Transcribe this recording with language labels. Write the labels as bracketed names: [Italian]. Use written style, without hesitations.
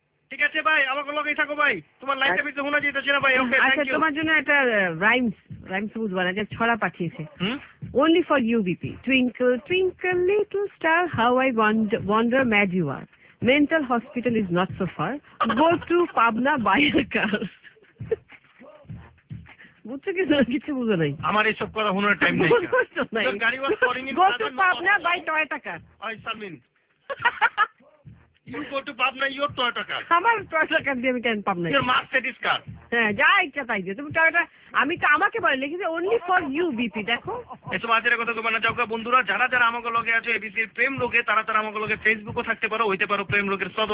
[Bangla] ঠিক আছে ভাই আমাকে লগেই থাকো ভাই, তোমার লাইনটা বেশি শোনা যেতেছে না ভাই, তোমার জন্য একটা রাইমস ছড়া পাঠিয়েছে, [English] only for you BP, twinkle twinkle little star how I wonder mad you are, mental hospital is not so far, go to Pabna buy a car, [Bangla] বুঝছো কি না কিছু বুঝো নাই আমার এই সব কথা শোনার টাইম নাই, গাড়ি ওয়াশ করিং নি, [English] go to Pabna buy Toyota car, ওই Samin you go to Pabna your Toyota car, [Bangla] আমার Toyota car দিয়ে আমি কেন Pabna, [English] your Mercedes car, [Bangla] like করো আর প্রেম রোগের সদস্য হয়ে যাও, আর আর যে সারমিনের